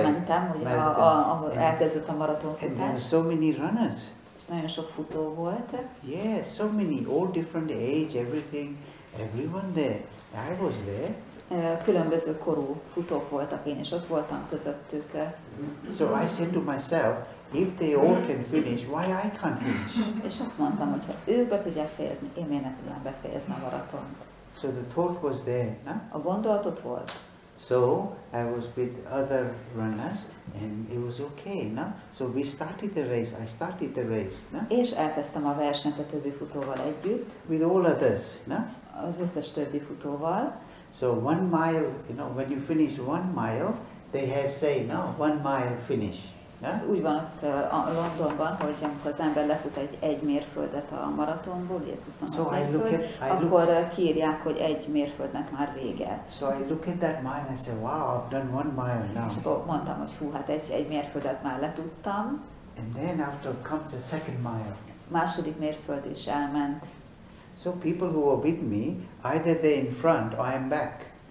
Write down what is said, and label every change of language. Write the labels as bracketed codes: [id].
[hu] Oda mentem, ugye, ahol elkezdődött a maratonfutás. [en] And there were so many runners. [hu] És nagyon sok futó volt. [en] Yeah, so many, all different age, everything, everyone there. I was there. [hu] Különböző korú futók voltak én, és ott voltam közöttük. [en] So I said to myself, if they all can finish, why I can't finish? [hu] És azt mondtam, hogy ha ők be tudják fejezni, én miért ne tudnám befejezni a maratont. [en] So the thought was there, no? [hu] A gondolat ott volt. [en] So I was with other runners and it was okay, no? So we started the race, I started the race, no? [hu] És elkezdtem a versenyt a többi futóval együtt. [en] With all others, no? [hu] Az összes többi futóval. [en] So 1 mile, you know, when you finish 1 mile, they have say, no, 1 mile finish. [hu] Ez úgy van ott Londonban, hogy amikor az ember lefut egy mérföldet a maratonból, Jézus a mérföld, akkor kiírják, hogy egy mérföldnek már vége. [en] So I look at that mile and I say, wow, I've done 1 mile now. [hu] És akkor mondtam, hogy hú, hát egy mérföldet már letudtam. [en] And then after comes a second mile. [hu] Második mérföld is elment. [en] So people who were with me, either they in front or I'm back.